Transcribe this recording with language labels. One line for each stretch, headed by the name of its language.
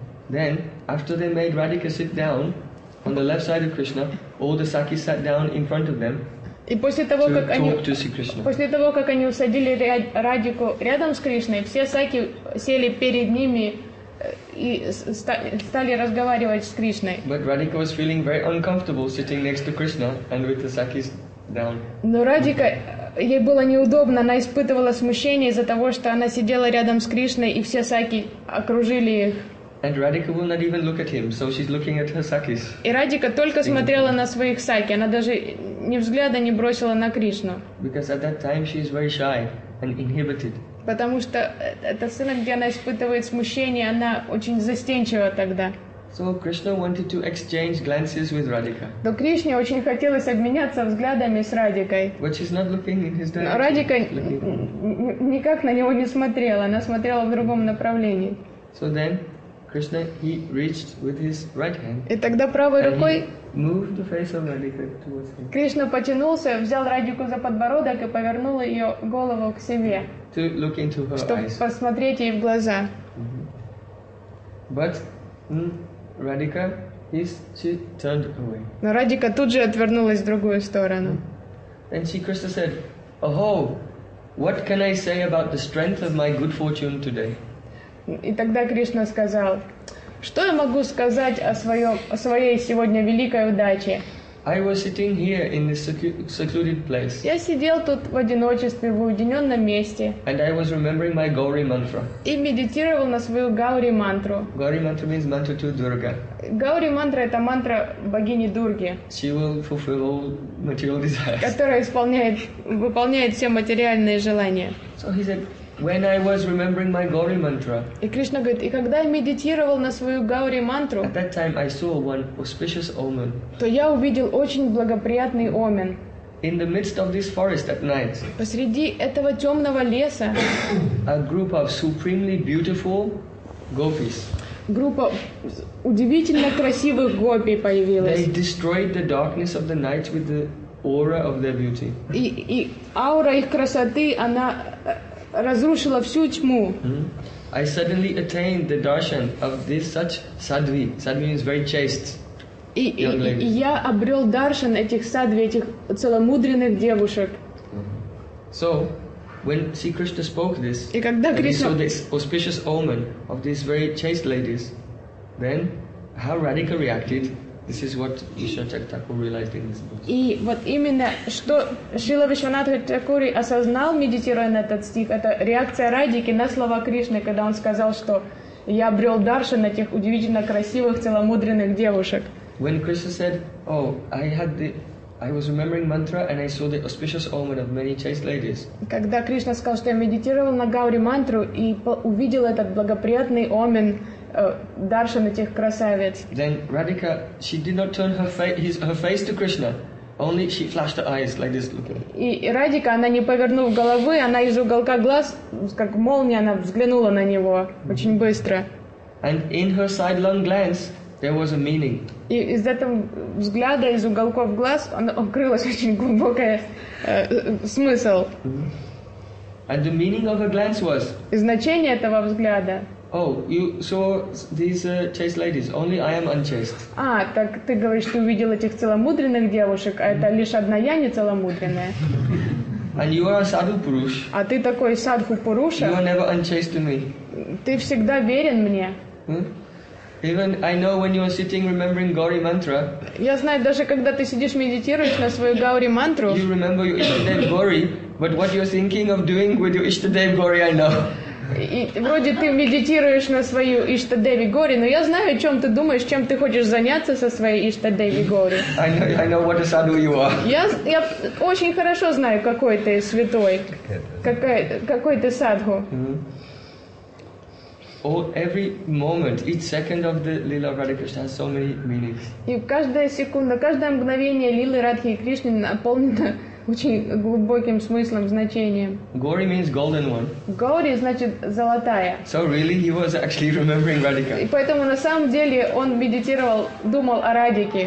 English: Then, after they made Radhika sit down on the left side of Krishna, all the sakis sat down in front of them.
Russian: И после того, как они усадили Радику рядом с Кришной, все саки сели перед ними и стали разговаривать с Кришной.
English: But Radhika was feeling very uncomfortable sitting next to Krishna and with the sakis down.
Russian: Но Радика, ей было неудобно, она испытывала смущение из-за того, что она сидела рядом с Кришной и все саки окружили их.
English: And Radhika will not even look at him, so she's looking at her sakis.
Russian: И Радика только смотрела на своих саки, она даже ни взгляда не бросила на Кришну.
English: Because at that time she is very shy and inhibited.
Russian: Потому что это сцена, где она испытывает смущение, она очень застенчива тогда.
English: So Krishna wanted to exchange glances with Radhika.
Russian: Но Кришне очень хотелось обменяться взглядами с Радикой.
English: But she's not looking in his direction.
Russian: Но Радика никак на него не смотрела, она смотрела в другом направлении.
English: So then Krishna, he reached with his right hand.
Russian: И тогда правой рукой
English: moved the face of Radhika towards him.
Russian: Кришна потянулся, взял Радику за подбородок и повернул ее голову к себе,
English: to look into her
Russian: чтобы
English: eyes.
Russian: Посмотреть ей в глаза.
English: But Radhika, she turned away.
Russian: Но Радика тут же отвернулась в другую сторону.
English: And she, Krishna said, "Oho, what can I say about the strength of my good fortune today?"
Russian: И тогда Кришна сказал, что я могу сказать о своей сегодня великой удаче?
English: I was sitting here in this secluded place.
Russian: Я сидел тут в одиночестве, в уединенном месте.
English: And I was remembering my Gauri mantra.
Russian: И медитировал на свою Гаури мантру.
English: Gauri mantra means mantra to Durga.
Russian: Гаури мантра – это мантра богини Дурги.
English: She will fulfill all material desires.
Russian: Которая выполняет все материальные желания.
English: So he said, When I was remembering my Gauri mantra.
Russian: И Кришна говорит, и когда я медитировал на свою Гаури мантру.
English: At that time I saw one auspicious omen.
Russian: То я увидел очень благоприятный омен.
English: In the midst of this forest at night.
Russian: Посреди этого темного леса.
English: A group of supremely beautiful gopis.
Russian: Группа удивительно красивых гопи появилась.
English: They destroyed the darkness of the night with the aura of their beauty.
Russian: И аура их красоты, она разрушила всю тьму.
English: I suddenly attained the darshan of this such sadhvi. Sadhvi means very chaste.
Russian: И я обрел даршан этих садви, этих целомудренных девушек.
English: So, when Sri Krishna spoke this,
Russian: и когда Кришна...
English: And he saw this auspicious omen of these very chaste ladies, then how Radhika reacted, this is what Vishwanatha Thakur realized in this book.
Russian: И вот именно что Шрила Вишванатха Такури осознал, медитируя на этот стих, это реакция Радики на слова Кришны, когда он сказал, что я обрел даршан этих удивительно красивых целомудренных девушек.
English: When Krishna said, "Oh, I was remembering mantra and I saw the auspicious omen of many chaste ladies."
Russian: Когда Кришна сказал, что я медитировал на Гаури мантру и увидел этот благоприятный омен даршан этих красавиц.
English: Then Radhika, she did not turn her face to Krishna, only she flashed her eyes like this.
Russian: И Радика, она не повернув головы, она из уголка глаз, как молния, она взглянула на него очень быстро.
English: And in her sidelong glance. There was a meaning.
Russian: И из этого взгляда, из уголков глаз, он крылась очень глубокая смысл.
English: And the meaning of her glance was.
Russian: И значение этого взгляда.
English: Oh, you saw these chaste ladies. Only I am unchaste.
Russian: А, так ты говоришь, ты увидел этих целомудренных девушек, а это лишь одна я не целомудренная.
English: And you are a sadhu purush.
Russian: А ты такой садху пуруша.
English: You are never unchaste to me.
Russian: Ты всегда верен мне.
English: Even I know when you are sitting remembering Gauri mantra.
Russian: Я знаю, даже когда ты сидишь медитируешь на свою Гаури мантру.
English: You remember your Ishtadev Gauri, but what you're thinking of doing with your Ishtadev Gauri, I know.
Russian: И вроде ты медитируешь на свою Иштадеви Гори, но я знаю, о чем ты думаешь, чем ты хочешь заняться со своей Иштадеви Гори.
English: I know what a sadhu you are.
Russian: Я очень хорошо знаю, какой ты святой, какой ты садху.
English: Every moment, each second of the Lila of Radha Krishna has so many meanings.
Russian: И каждая секунда, каждое мгновение Лилы Радхи и Кришны наполнено очень глубоким смыслом, значением.
English: Gauri means golden one.
Russian: Gauri значит золотая.
English: So really, he was actually remembering Radhika.
Russian: И поэтому на самом деле он медитировал, думал о Радике.